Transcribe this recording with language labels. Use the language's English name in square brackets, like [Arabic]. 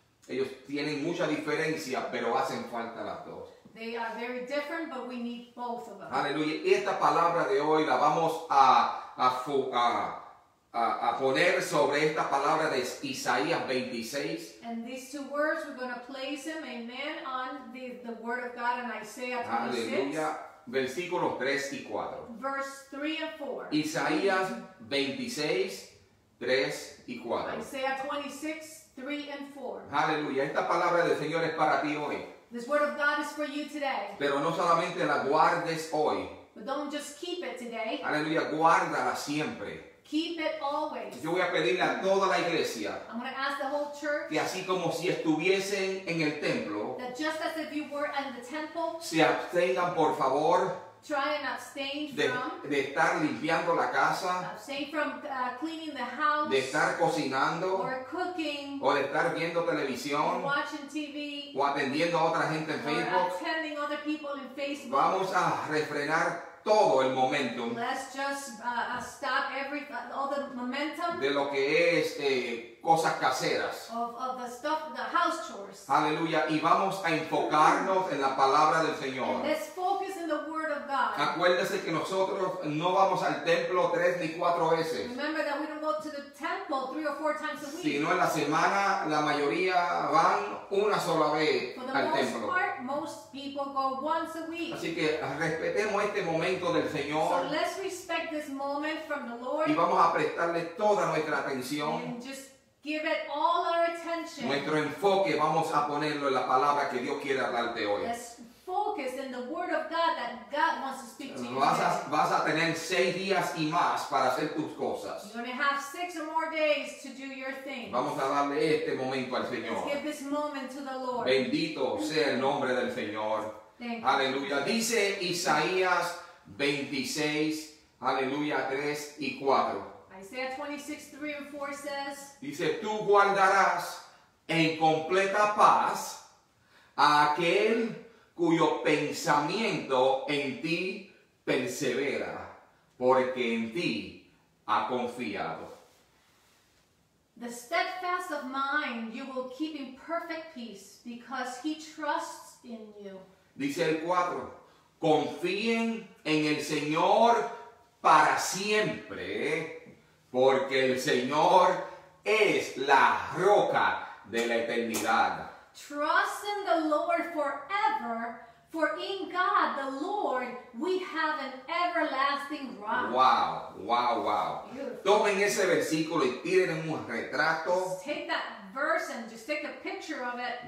[Spanish] Ellos tienen mucha diferencia, pero hacen falta las dos. [English] They are very different, but we need both of them. [Spanish] Aleluya. Esta palabra de hoy la vamos a poner sobre esta palabra de Isaías 26. [English] And these two words we're going to place them, amen, on the word of God in Isaiah 26. [Spanish] Aleluya. Versículos 3 y 4. [English] Verse 3 and 4. [Spanish] Isaías 26, 3 y 4. [English] Isaiah 26, 3 and 4. [Spanish] Aleluya. Esta palabra del Señor es para ti hoy. [English] This word of God is for you today. [Spanish] Pero no solamente la guardes hoy. [English] But don't just keep it today. [Spanish] Aleluya. Guárdala siempre. [English] Keep it always. [Spanish] Yo voy a pedirle a toda la iglesia. [English] I'm going to ask the whole church. [Spanish] Que así como si estuviesen en el templo. [English] That just as if you were in the temple. [Spanish] Se abstengan por favor. [English] Try and abstain from. [Spanish] De estar limpiando la casa. [English] Abstain from cleaning the house. [Spanish] De estar cocinando. [English] Or cooking. [Spanish] O de estar viendo televisión. [English] Or watching TV. [Spanish] O atendiendo a otra gente en Facebook. [English] Or attending other people in Facebook. [Spanish] Vamos a refrenar todo el momento. [English] Let's just stop every all the momentum [Spanish] de lo que es cosas caseras. [English] Of the stuff, the house chores. [Spanish] Aleluya. Y vamos a enfocarnos en la palabra del Señor. [English] And let's focus in the word of God. [Spanish] Acuérdese que nosotros no vamos al templo tres ni cuatro veces. [English] Remember that we don't go to the temple three or four times a week. [Spanish] Sino en la semana la mayoría van una sola vez [English] For the [Spanish] al [English] most [Spanish] templo. [English] Part, most people go once a week. [Spanish] Así que respetemos este momento del Señor. [English] So let's respect this moment from the Lord. [Spanish] Y vamos a prestarle toda nuestra atención. [English] Give it all our attention. [Spanish] Nuestro enfoque vamos a ponerlo en la palabra que Dios quiere hablarte hoy. [English] Let's focus in the word of God that God wants to speak to you. [Spanish] Vas a tener seis días y más para hacer tus cosas. [English] You're going to have six or more days to do your things. [Spanish] Vamos a darle este momento al Señor. [English] Let's give this moment to the Lord. [Spanish] Bendito sea el nombre del Señor. [English] Thank [Spanish] Aleluya. [English] You. [Spanish] Dice Isaías 26, aleluya, 3 y 4. [English] Isaiah 26, 3 and 4 says, [Spanish] dice, tú guardarás en completa paz a aquel cuyo pensamiento en ti persevera, porque en ti ha confiado. [English] The steadfast of mind you will keep in perfect peace because he trusts in you. [Spanish] Dice el 4, confíen en el Señor para siempre. Porque el Señor es la roca de la eternidad. [English] Trust in the Lord forever, for in God the Lord we have an everlasting rock. Wow, wow, wow. Beautiful. [Spanish] Tomen ese versículo y tiren un retrato. [English] Just take that verse and just take a picture of it.